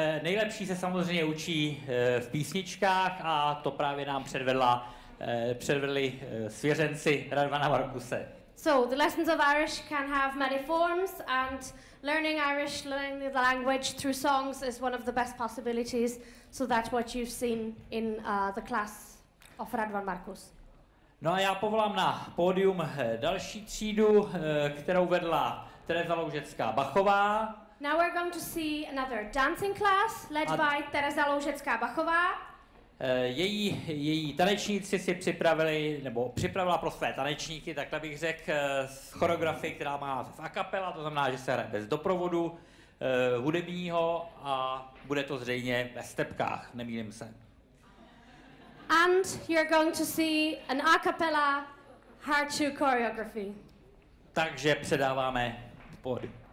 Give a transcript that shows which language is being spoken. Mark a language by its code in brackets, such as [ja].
[cs] Nejlepší se samozřejmě učí v písničkách a to právě nám předvedli svěřenci Radvana Markuse. [en] So the lessons of Irish can have many forms and learning Irish, learning the language through songs is one of the best possibilities. So that's what you've seen in the class of Radvan Markus. [cs] No a já povolám na pódium další třídu, kterou vedla Tereza Loužecká-Bachová. [en] Now we're going to see another dancing class led by Tereza Loužecká-Bachová. [cs] Její tanečníci si připravila pro své tanečníky, takhle bych řekl, z choreografii, která má a capella, to znamená, že se hraje bez doprovodu hudebního a bude to zřejmě ve stepkách, nemýlím se. [en] And you're going to see an a capella hard to choreography. [cs] Takže předáváme pódium.